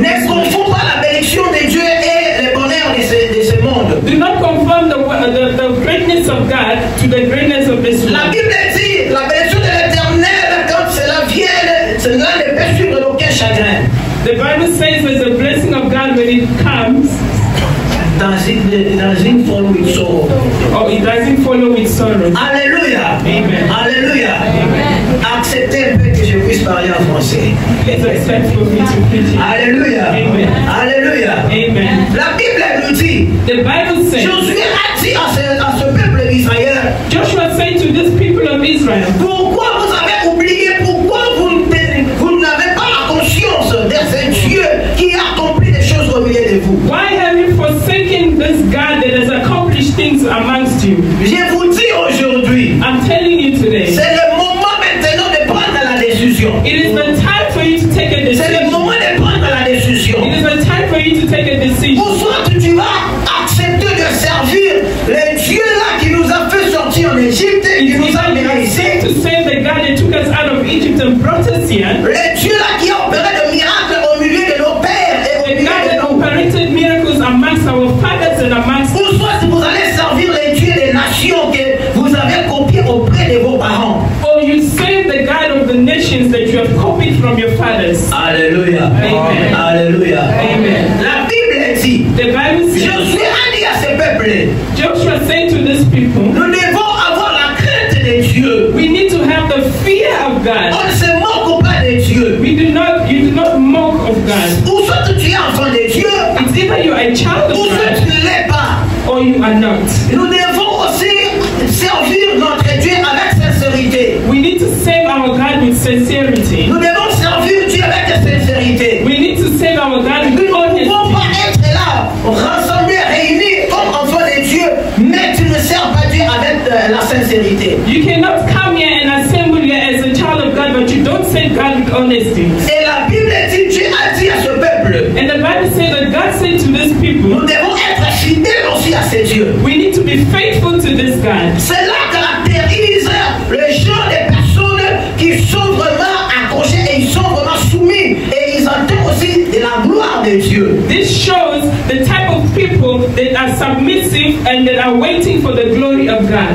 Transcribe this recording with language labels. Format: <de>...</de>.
<fr>ne confond pas la bénédiction de Dieu et le bonheur de ce monde.</fr> <en>Do not confirm the greatness of God to the greatness of this world.</en> <fr>La Bible dit la bénédiction de l'Éternel quand cela vient, cela ne peut suivre aucun chagrin.</fr> <en>The Bible says that the blessing of God when it comes doesn't follow with sorrow. Oh, it doesn't follow with sorrow. Alléluia. Amen. Alléluia. Amen.</en> <fr>Acceptez un peu que je puisse parler en français.</fr> <en>It's acceptable for me to preach. Alléluia. Amen. Alléluia. Amen.</en> <fr>La Bible nous dit.</fr> <en>The Bible says.</en> <fr>Josué a dit à ce peuple d'Israël.</fr> <en>Joshua said to this people of Israel.</en> <fr>Pourquoi vous avez oublié? Pourquoi vous n'avez pas la conscience de ce Dieu qui a accompli des choses au milieu de vous?</fr> <en>Why have you forsaken this God that has accomplished things amongst you?</en> <fr>Je vous dis aujourd'hui.</fr> <en>I'm telling you today.</en> <fr>C'est le moment maintenant de prendre la décision.</fr> <en>It is the time for you to take a decision.</en> <fr>C'est le moment de prendre la décision.</fr> <en>It is the time for you to take a decision.</en> <fr>Ou soit tu vas accepter de servir le Dieu là qui nous a fait sortir en Égypte et qui nous a mené ici.</fr> <en>To save the God that took us out of Egypt and brought us here.</en> <fr>Le Dieu là qui a opéré de miracles au milieu de nos pères et au milieu de nos</fr> <en>operated miracles amongst our fathers and amongst.</en> <fr>Ou soit vous allez servir le Dieu des nations que vous avez copié auprès de vos parents.</fr> <en>Or you save the God of the nations that you have copied from your fathers. Alléluia. Amen. Alléluia. Amen.</en> <fr>La Bible dit.</fr> <en>The Bible says.</en> <fr>Josué a dit à ce peuple.</fr> <en>Joshua said to this people.</en> <fr>Nous devons avoir la crainte de Dieu.</fr> <en>We need to have the fear of God.</en> <fr>On ne se moque pas de Dieu.</fr> <en>You do not mock of God.</en> <fr>Ou soit tu es enfant de Dieu.</fr> <en>It's either you are a child of</en> <fr>ou</fr> <en>God.</en> <fr>Ou soit tu ne l'es pas.</fr> <en>Or you are not.</en> <fr>Nous devons aussi servir notre Dieu avec sincérité.</fr> <en>We need to serve our God with sincerity.</en> <fr>Nous devons servir Dieu avec sincérité.</fr> <en>We need to serve our God with</en> <fr>nous</fr> <en>honesty.</en> <fr>Nous ne pouvons pas être là, rassemblés, réunis comme enfants de Dieu, mais tu ne sers pas Dieu avec la sincérité.</fr> <en>You cannot come here and assemble here as a child of God, but you don't serve God with honesty.</en> <fr>Et la Bible dit, Dieu a dit à ce peuple.</fr> <en>And the Bible says that God said to this people.</en> <fr>Nous devons être fidèles aussi à ce Dieu.</fr> <en>We need to be faithful to this God.</en> <fr>C'est là que la le genre de personnes qui sont vraiment accrochées et ils sont vraiment soumis et ils entendent aussi de la gloire de Dieu.</fr> <en>This shows the type of people that are submissive and that are waiting for the glory of God.</en>